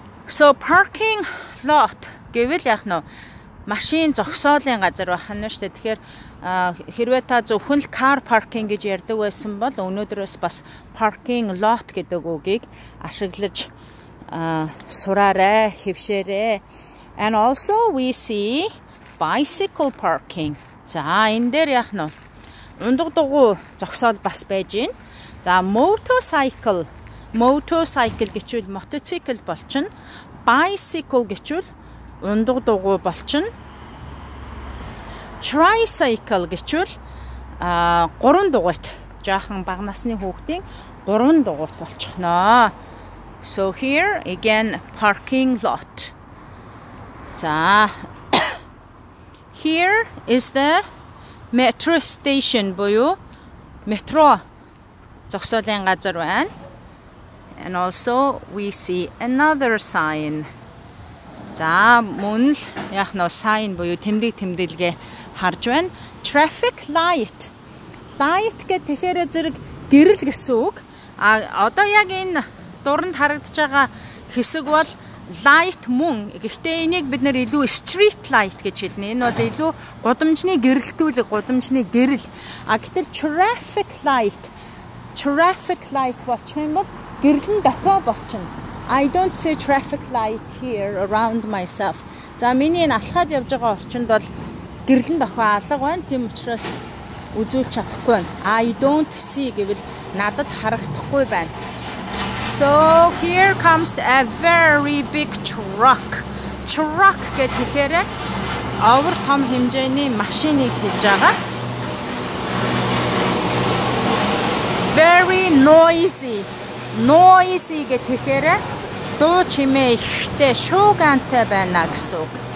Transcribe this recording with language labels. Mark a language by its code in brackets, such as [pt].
[mn] So parking lot гэвэл яах нь вэ? Машин зогсоолын газар байх нь шүү дээ. Тэгэхээр хэрвээ та зөвхөн л car parking гэж ярьдаг байсан бол өнөөдрөөс бас parking lot гэдэг үгийг ашиглаж сураарэ, хевшээрэ. [en] And also we see bicycle parking. [mn] За энэ дээр яах нь вэ? Ундагдуугүй зогсоол бас байж гин. [en] За motorcycle. [mn] Motorcycle гэвэл мотоцикл болчин. Bicycle гэвэл ундагдуугүй болчин. Tricycle гэвэл гурван дугуйт. Жаахан бага насны хүүхдийн гурван дугуйт болчихно. [en] So here again parking lot. [mn] За here is the metro station буюу метро зогсоолын газар байна. [en] And also we see another sign. [mn] За мөн л яг нь sign буюу тэмдэглэгээ харж байна. [en] Traffic light. [mn] Light гэх тэгэхээр зэрэг гэрэл гэсэн үг. А одоо яг энэ дуранд харагдаж байгаа хэсэг бол light мөн. Гэхдээ энийг бид нэр илүү street light гэж хэлнэ. Энэ бол илүү гудамжны гэрэлтүүлэг, гудамжны гэрэл. А гэтэл traffic light traffic light болчих юм бол гэрлэн дохио болчихно. [en] I don't see traffic light here around myself. [mn] За миний энэ алхаад явж байгаа орчинд бол гэрлэн дохио алга байна. Тим учраас үзүүлж чадахгүй байна. [en] I don't see [mn] гэвэл надад харагдахгүй байна. [en] So here comes a very big truck. [mn] Truck гэхээр овер том хэмжээний машиныг хэлж байгаа. [en] Very noisy. [mn] Noisy гэхээр дуу чимээ ихтэй шуугантай байна гэсэн үг.